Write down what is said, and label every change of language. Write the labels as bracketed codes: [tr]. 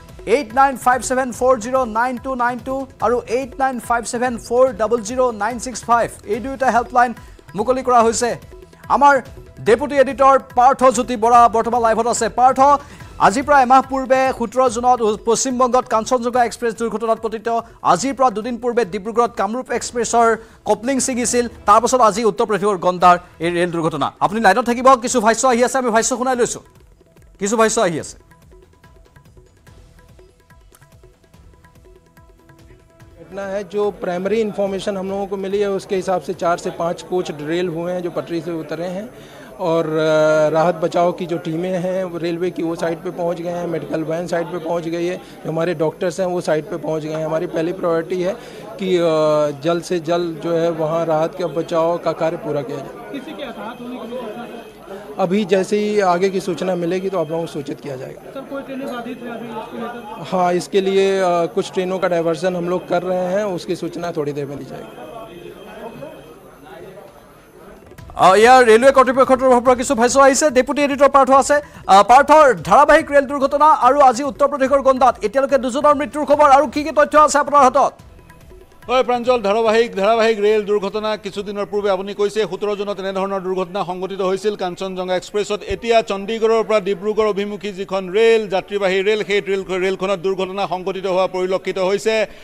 [as] 8957400922 আৰু 8957400965 এই দুয়োটা হেল্পলাইন মুকলি কৰা হৈছে আমাৰ ডেপুটি এডিটৰ পাৰ্থ জ্যোতি বৰা বৰ্তমান লাইভত আছে পাৰ্থ আজিৰ পৰা এমাহ পূৰ্বে 17 জুনত পশ্চিমবংগত কাঞ্চনজংঘা এক্সপ্ৰেছ দুৰ্ঘটনাত পতিত আজিৰ পৰা দুদিন পূৰ্বে ডিব্ৰুগড়ত কামৰূপ এক্সপ্ৰেছৰ কপলিং ছিঙিছিল তাৰপাছত আজি উত্তৰ প্ৰদেশৰ গণ্ডাৰ এই ৰেল দুৰ্ঘটনা আপুনি লাইনত থাকিব কিছু ভাষ্য আহি আছে আমি ভাষ্য শুনাই লৈছোঁ কিছু ভাষ্য আহি আছে [hi] घटना है जो प्राइमरी इन्फॉर्मेशन हम लोगों को मिली है उसके हिसाब से 4 से 5 कोच डरेल हुए हैं जो पटरी से उतरे हैं और राहत बचाव की जो टीमें हैं रेलवे की वो साइड पे पहुंच गए हैं मेडिकल वैन साइड पे पहुंच गई है जो हमारे डॉक्टर्स हैं वो साइड पे पहुंच गए हैं हमारी पहली प्रायोरिटी है कि जल्द से जल्द जो है वहाँ राहत के बचाव का कार्य पूरा किया जाए अभी जैसे ही आगे की सूचना मिलेगी तो आप लोगों को सूचित किया जाएगा सर कोई ट्रेनें बाधित हैं अभी इसके लिए हाँ इसके लिए कुछ ट्रेनों का डायवर्जन हम लोग कर रहे हैं उसकी सूचना थोड़ी देर में दी जाएगी [as] ইয়াৰ ৰেলৱে কৰ্তৃপক্ষৰ তৰফৰ পৰা কিছু ভাষ্য আহিছে ডেপুটি এডিটৰ পাৰ্থ আছে পাৰ্থৰ ধাৰাবাহিক ৰেল দুৰ্ঘটনা আৰু আজি উত্তৰ প্ৰদেশৰ গণ্ডাত এতিয়ালৈকে দুজনৰ মৃত্যুৰ খবৰ আৰু কি কি তথ্য আছে আপোনাৰ হাতত হয় প্ৰাঞ্জল ধাৰাবাহিক ৰেল দুৰ্ঘটনা কিছুদিনৰ পূৰ্বে আপুনি কৈছে 17 জুনত এনেধৰণৰ দুৰ্ঘটনা সংঘটিত হৈছিল কাঞ্চনজংঘা এক্সপ্ৰেছত এতিয়া চণ্ডীগড়ৰ পৰা ডিব্ৰুগড় অভিমুখী যিখন ৰেল যাত্ৰীবাহী ৰেল সেই ৰেলখনত দুৰ্ঘটনা সংঘটিত হোৱা পৰিলক্ষিত হৈছে